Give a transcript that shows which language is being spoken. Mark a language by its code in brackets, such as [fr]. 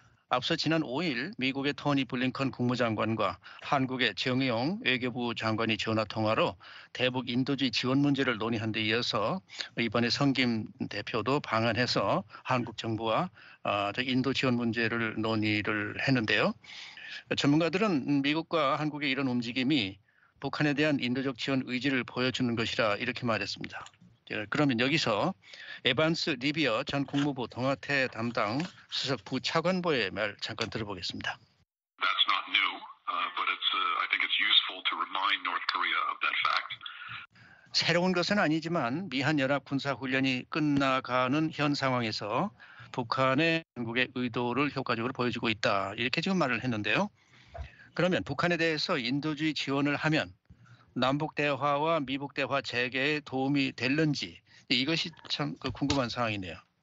[ko] 앞서 지난 5일 미국의 토니 블링컨 국무장관과 한국의 정의용 외교부 장관이 전화 통화로 대북 인도주의 지원 문제를 논의한 데 이어서 이번에 성김 대표도 방한해서 한국 정부와 인도 지원 문제를 논의를 했는데요. 전문가들은 미국과 한국의 이런 움직임이 북한에 대한 인도적 지원 의지를 보여주는 것이라 이렇게 말했습니다. 그러면 여기서 에반스 리비어 전 국무부 동아태 담당 수석 부차관보의 말 잠깐 들어보겠습니다. [en] That's not new, but it's I think it's useful to remind North Korea of that fact. [ko] 새로운 것은 아니지만 미한연합군사훈련이 끝나가는 현 상황에서 북한의 한국의 의도를 효과적으로 보여주고 있다. 이렇게 지금 말을 했는데요. 그러면 북한에 대해서 인도주의 지원을 하면 남북 대화와 미북 대화 재개에 도움이 될는지 이것이 참 궁금한 상황이네요.